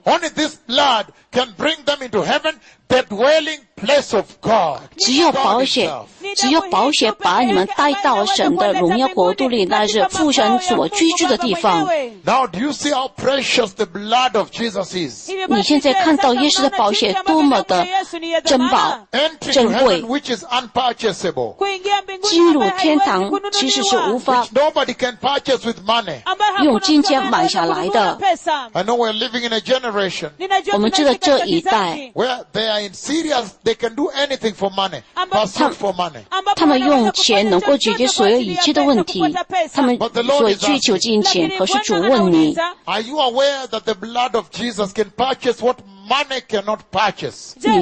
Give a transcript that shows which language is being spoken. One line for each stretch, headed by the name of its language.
English: Only this blood can bring them into heaven, the dwelling place of God.
Chinese: 只有宝血把你们带到神的荣耀国度里，那是父神所居住的地方。
English: Now do you see how precious the blood of Jesus is?
Chinese: 你现在看到耶稣的宝血多么的珍宝。
English: Enter to heaven, which is unpurchasable.
Chinese: 进入天堂, 其实是无法,
English: which nobody can purchase with money.
Chinese: 用金钱买下来的。
English: I know we're living in a generation.
Chinese: 我们知道这一代,
English: where they are in serious, they can do anything for money. Pursuit for money.
Chinese: 他们用钱能够解决所有一切的问题, 他们所追求金钱, 可是主问你,
English: are you aware that the blood of Jesus can purchase what money cannot purchase?